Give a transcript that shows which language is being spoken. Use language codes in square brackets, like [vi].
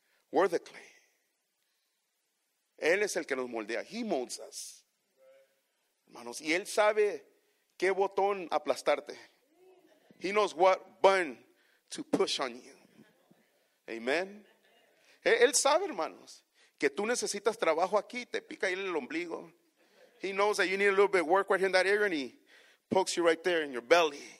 [en] We're the clay. [es] Él es el que nos moldea. [en] He molds us. [es] Hermanos, y Él sabe qué botón aplastarte. [en] He knows what button to push on you. Amen. [es] Él sabe, hermanos, que tú necesitas trabajo aquí. Te pica ahí en el ombligo. [en] He knows that you need a little bit of work right in that area and he pokes you right there in your belly.